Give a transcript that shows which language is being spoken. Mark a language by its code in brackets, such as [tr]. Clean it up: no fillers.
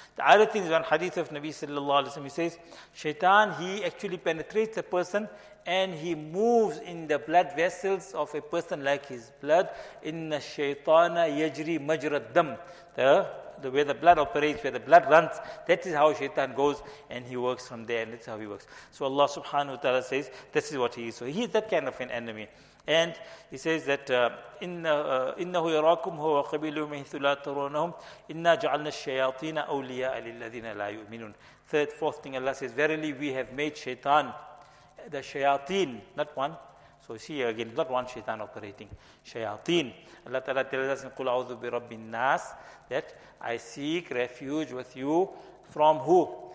[en] The other thing is one hadith of Nabi sallallahu alayhi wa sallam, he says, shaitan, he actually penetrates a person and he moves in the blood vessels of a person like his blood. [ar] Inna shaitana yajri majrad dam. [en] The way the blood operates, where the blood runs, that is how shaitan goes and he works from there, and that's how he works. So Allah subhanahu wa ta'ala says, this is what he is. So he is that kind of an enemy. And he says that [ar] إِنَّهُ يَرَاكُمْ هُوَ قَبِيلُ مِنْ ثُلَاثِ تَرَوْنَهُمْ إِنَّا جَعَلْنَا الشَّيَاطِينَ أَوْلِيَاءَ لِلَّذِينَ لَا يُؤْمِنُونَ. [en] Third, fourth thing Allah says, verily we have made shaitan, the shayateen, not one. So see again, not one shaitan operating. Shayateen. Allah Ta'ala tells us in [ar] قُلْ أَعُوذُ بِرَبِّ النَّاسِ [en] that I seek refuge with you from who?